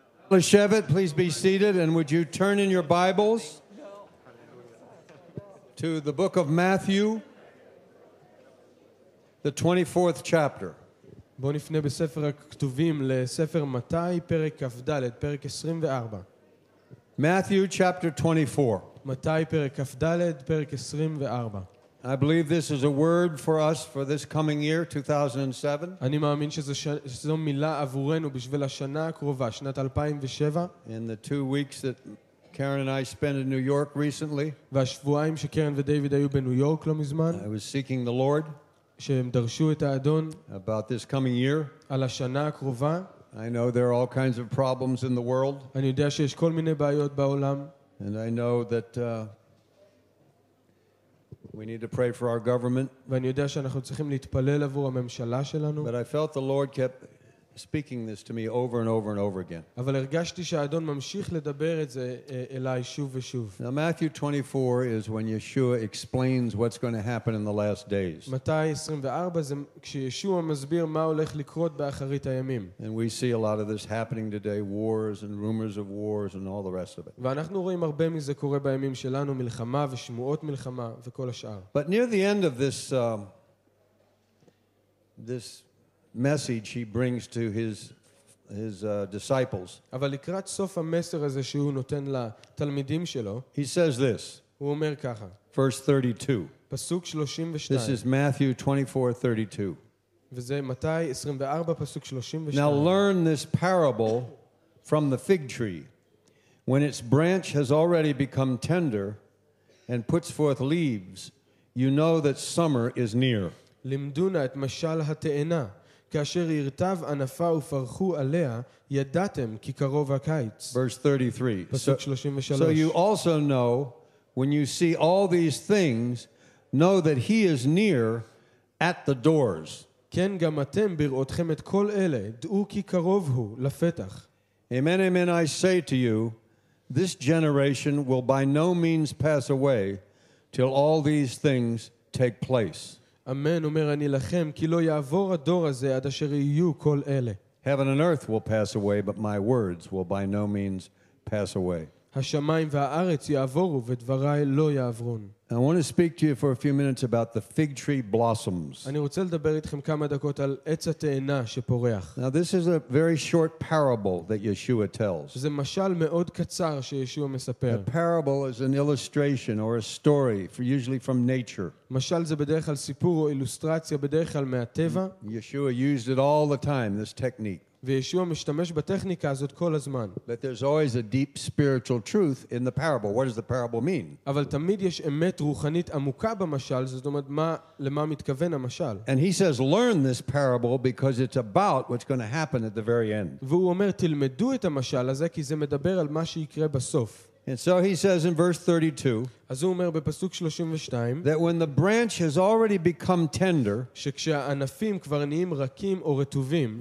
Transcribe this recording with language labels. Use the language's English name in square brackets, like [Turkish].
[Hebrew] Leshevet, [English] please be seated, and would you turn in your Bibles to the book of Matthew, the 24th chapter. [Hebrew] בוא נפנה בספר הכתובים לספר מתי, פרק כ"ד, פרק 24. [English] Matthew chapter 24. [Hebrew] מתי, פרק כ"ד, פרק 24. [English] I believe this is a word for us for this coming year, 2007. [Hebrew] אני מאמין שזו מילה עבורנו בשביל השנה הקרובה, שנת 2007. [English] In the 2 weeks that Karen and I spent in New York recently. [Hebrew] והשבועיים שקרן ודייוויד היו בניו יורק לא מזמן. [English] I was seeking the Lord. [Hebrew] שהם דרשו את האדון. [English] About this coming year. [Hebrew] על השנה הקרובה. [English] I know there are all kinds of problems in the world. [Hebrew] אני יודע שיש כל מיני בעיות בעולם. [English] And I know that we need to pray for our government. [Hebrew] ואני יודע שאנחנו צריכים להתפלל עבור הממשלה שלנו. [English] But I felt the Lord kept speaking this to me over and over and over again. [Hebrew] אבל הרגשתי שהאדון ממשיך לדבר את זה אליי שוב ושוב. [English] Now Matthew 24 is when Yeshua explains what's going to happen in the last days. [Hebrew] מתי 24 זה כשישוע מסביר מה הולך לקרות באחרית הימים. [English] And we see a lot of this happening today, wars and rumors of wars and all the rest of it. [Hebrew] ואנחנו רואים הרבה מזה קורה בימים שלנו, מלחמה ושמועות מלחמה וכל השאר. [English] But near the end of this message he brings to his disciples. [Hebrew] אבל לקראת סוף המסר הזה שהוא נותן לתלמידים שלו, [English] he says this. [Hebrew] הוא אומר ככה. [English] Verse 32. [Hebrew] פסוק 32. [English] This is Matthew 24:32. [Hebrew] וזה מתי 24 פסוק 32. [English] Now learn this parable from the fig tree. When its branch has already become tender and puts forth leaves, you know that summer is near. [Hebrew] למדונה את משל התאנה. כאשר ירטב ענפה ופרחו עליה, ידעתם כי קרוב הקיץ. [English] Verse 33. So you also know, when you see all these things, know that he is near at the doors. [Hebrew] כן, גם אתם בראותכם את כל אלה, דעו כי קרוב הוא לפתח. [English] Amen, amen, I say to you, this generation will by no means pass away till all these things take place. [Hebrew] אמן אומר אני לכם כי לא יעבור הדור הזה עד אשר יהיו כל אלה. [English] Heaven and earth will pass away but my words will by no means pass away. [Hebrew] השמיים והארץ יעברו ודבריי לא יעברון. [English] I want to speak to you for a few minutes about the fig tree blossoms. [Hebrew] אני רוצה לדבר איתכם כמה דקות על עץ התאנה שפורח. [English] Now this is a very short parable that Yeshua tells. [Hebrew] זה משל מאוד קצר שישוע מספר. [English] A parable is an illustration or a story, usually from nature. [Hebrew] משל זה בדרך כלל סיפור או אילוסטרציה, בדרך כלל מהטבע. [English] Yeshua used it all the time, this technique. [Hebrew] וישוע משתמש בטכניקה הזאת כל הזמן. [English] But there's always a deep spiritual truth in the parable. What does the parable mean? [Hebrew] אבל תמיד יש אמת רוחנית עמוקה במשל, זאת אומרת, למה מתכוון המשל? [English] And he says, learn this parable because it's about what's going to happen at the very end. [Hebrew] והוא אומר, תלמדו את המשל הזה כי זה מדבר על מה שיקרה בסוף. [English] And so he says in verse 32, [Hebrew] אז הוא אומר בפסוק 32, [English] that when the branch has already become tender, [Hebrew] שכשהענפים כבר נהיים רכים או רטובים,